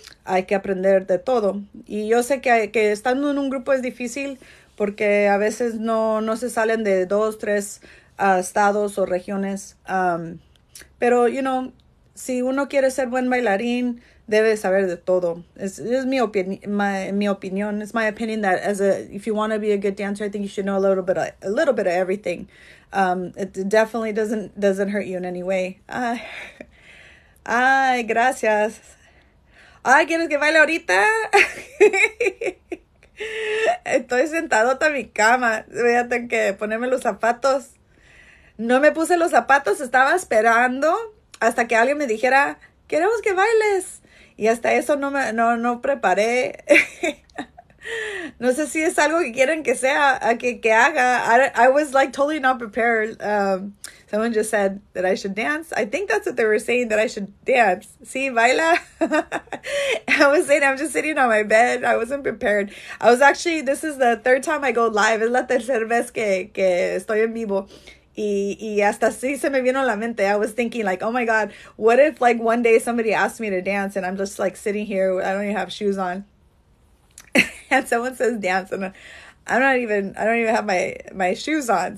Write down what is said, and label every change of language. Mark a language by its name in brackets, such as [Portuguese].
[Spanish] Hay que aprender de todo. Y yo sé que estando en un grupo es difícil porque a veces no se salen de dos, tres estados o regiones. Pero, si uno quiere ser buen bailarín, debe saber de todo. Es mi opinión. [English] It's my opinion that if you want to be a good dancer, I think you should know a little bit of everything. It definitely doesn't hurt you in any way. [Spanish] Ay, gracias. Ay, ¿quieres que baile ahorita? Estoy sentadota en mi cama. Voy a tener que ponerme los zapatos. No me puse los zapatos. Estaba esperando hasta que alguien me dijera, queremos que bailes. Y hasta eso no preparé. No sé si es algo que quieren que sea, que haga. [English] I was like totally not prepared. Someone just said that I should dance. I think that's what they were saying, that I should dance. [Spanish] Sí, baila. [English] I was saying I'm just sitting on my bed. I wasn't prepared. I was actually, this is the third time I go live. [Spanish] Es la tercera vez que estoy en vivo. Y hasta así se me vino a la mente. [English] I was thinking like, oh my God, what if like one day somebody asks me to dance and I'm just like sitting here, I don't even have shoes on. And someone says dance and I don't even have my shoes on.